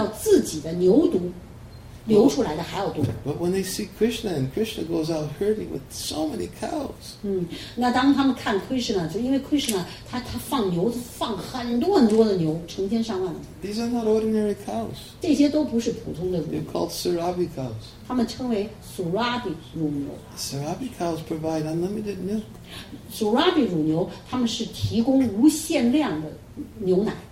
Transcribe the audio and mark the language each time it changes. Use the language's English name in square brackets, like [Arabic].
[Chinese] 甚至那个喷涌出来的那个乳汁的量，比他们看到自己的牛犊流出来的还要多。 [English] But when they see Krishna and Krishna goes out herding with so many cows. [Chinese] 那当他们看 Krishna， 就因为 Krishna 他放牛，放很多很多的牛，成千上万的。 [English] These are not ordinary cows. [Chinese] 这些都不是普通的乳牛。 [English] They're called Sarabi cows. [Chinese] 他们称为 Sarabi 乳牛。 [English] Sarabi cows provide unlimited milk. [Chinese] Sarabi 乳牛， 他们是提供无限量的牛奶。